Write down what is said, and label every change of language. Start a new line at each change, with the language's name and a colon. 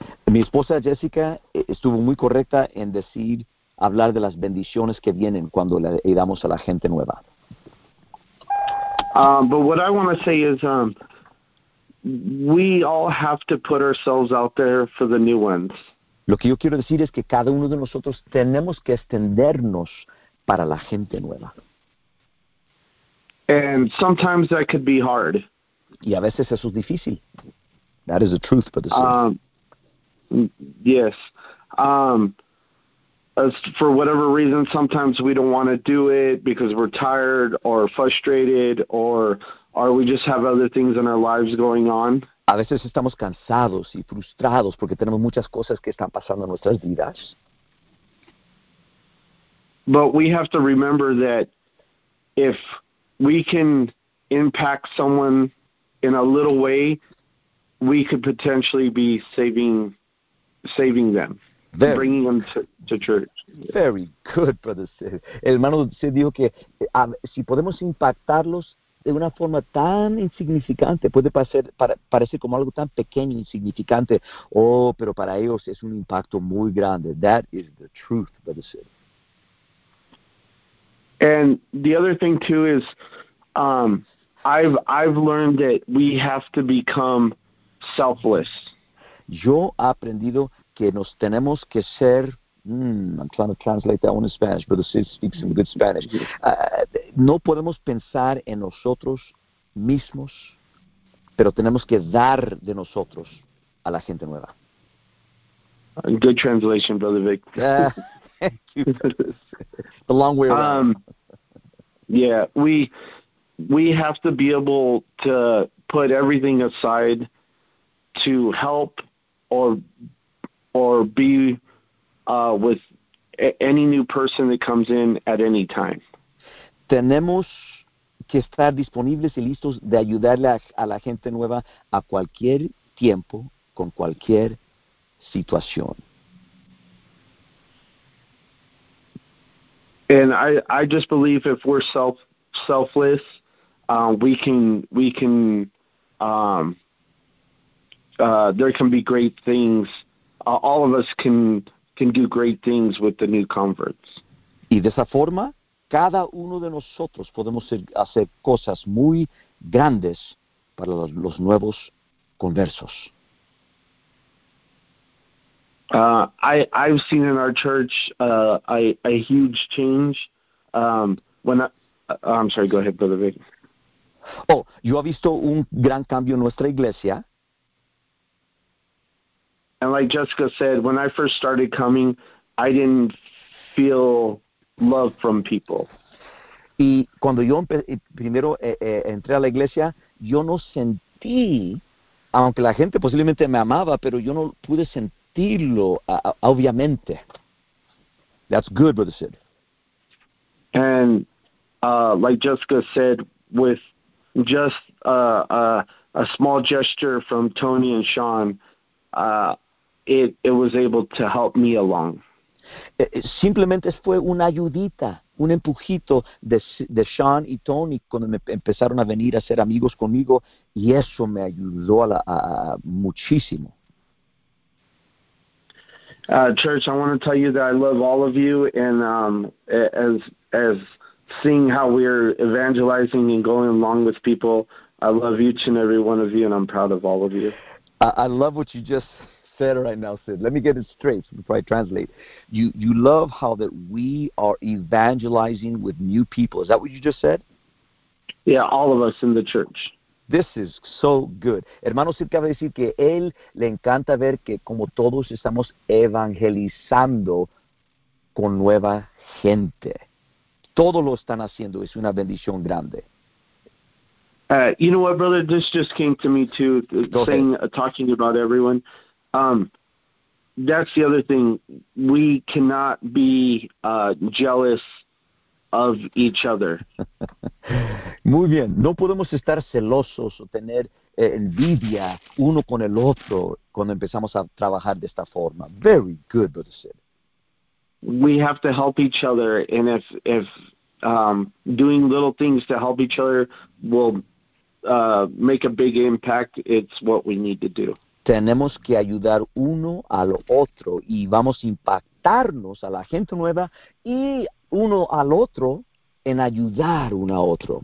Spanish: Mi esposa Jessica estuvo muy correcta en decir, hablar de las bendiciones que vienen cuando le damos a la gente nueva.
English: But what I want to say is, we all have to put ourselves out there for the new ones.
Spanish: Lo que yo quiero decir es que cada uno de nosotros tenemos que extendernos para la gente nueva.
English: And sometimes that could be hard.
Spanish: Y a veces eso es difícil.
English: That is the truth for the story. Yes. As for whatever reason, sometimes we don't want to do it because we're tired or frustrated or we just have other things in our lives going on.
Spanish: A veces estamos cansados y frustrados porque tenemos muchas cosas que están pasando en nuestras vidas.
English: But we have to remember that if we can impact someone in a little way, we could potentially be saving them, very, bringing them to church. Very good, Brother Sid.
Spanish: El hermano Sid dijo que si podemos impactarlos de una forma tan insignificante, puede parecer como algo tan pequeño, insignificante, pero para ellos es un impacto muy grande.
English: That is the truth, Brother Sid. And the other thing too is, I've learned that we have to become selfless.
Spanish: Yo he aprendido que nos tenemos que ser,
English: I'm trying to translate that one in Spanish, Brother Sid speaks some good Spanish.
Spanish: No podemos pensar en nosotros mismos, pero tenemos que dar de nosotros a la gente nueva.
English: Good translation, Brother Vic. Thank you, Brother. The long way around. We have to be able to put everything aside to help or be with any new person that comes in at any time.
Spanish: Tenemos que estar disponibles y listos de ayudarle a la gente nueva a cualquier tiempo, con cualquier situación.
English: And I just believe if we're selfless, there can be great things. All of us can do great things with the new converts.
Spanish: Y de esa forma, cada uno de nosotros podemos hacer cosas muy grandes para los nuevos conversos.
English: I've seen in our church a huge change. I'm sorry, go ahead, Brother Vic.
Spanish: Oh, yo he visto un gran cambio en nuestra iglesia.
English: And like Jessica said, when I first started coming, I didn't feel love from people.
Spanish: Y cuando yo primero entré a la iglesia, yo no sentí, aunque la gente posiblemente me amaba, pero yo no pude sentirlo, obviamente.
English: That's good, Brother Sid. And like Jessica said, with just a small gesture from Tony and Sean, it was able to help me along.
Spanish: Simplemente fue una ayudita, un empujito de Sean y Tony cuando me empezaron a venir a ser amigos conmigo, y eso me ayudó muchísimo.
English: Church, I want to tell you that I love all of you, and as seeing how we're evangelizing and going along with people, I love each and every one of you, and I'm proud of all of you. I love what you just said right now, Sid. Let me get it straight before I translate. You love how that we are evangelizing with new people. Is that what you just said? Yeah, all of us in the church. This is so good.
Spanish: Hermano Sid cabe decir que él le encanta ver que como todos estamos evangelizando con nueva gente. Todo lo están haciendo. Es una bendición grande.
English: You know what, brother? This just came to me too, talking about everyone. That's the other thing. We cannot be jealous of each other.
Spanish: Muy bien. No podemos estar celosos o tener envidia uno con el otro cuando empezamos a trabajar de esta forma.
English: Very good, Brother Sid. We have to help each other, and if doing little things to help each other will make a big impact, it's what we need to do.
Spanish: Tenemos que ayudar uno al otro y vamos a impactarnos a la gente nueva y uno al otro en ayudar uno a otro.